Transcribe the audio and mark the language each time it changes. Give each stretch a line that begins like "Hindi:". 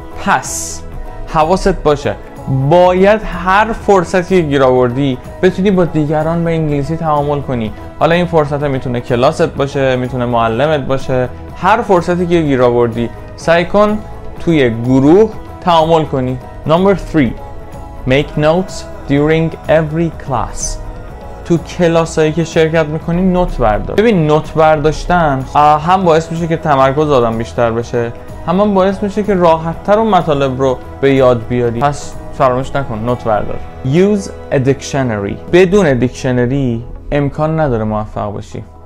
Persian: پس حواست باشه، باید هر فرصتی که گیر آوردی بتونی با دیگران به انگلیسی تعامل کنی. حالا این فرصت میتونه کلاست باشه، میتونه معلمت باشه، هر فرصتی که گیر آوردی سعی کن توی گروه تعامل کنی.
English: Number 3. Make notes during every class.
Persian: تو کلاس هایی که شرکت میکنی نوت بردار. ببین، نوت برداشتن هم باعث میشه که تمرکز آدم بیشتر بشه، هم باعث میشه که راحت تر اون مطالب رو به یاد بیاری. پس فراموش نکن نوت بردار.
English: Use a dictionary.
Persian: بدون دیکشنری امکان نداره موفق باشی.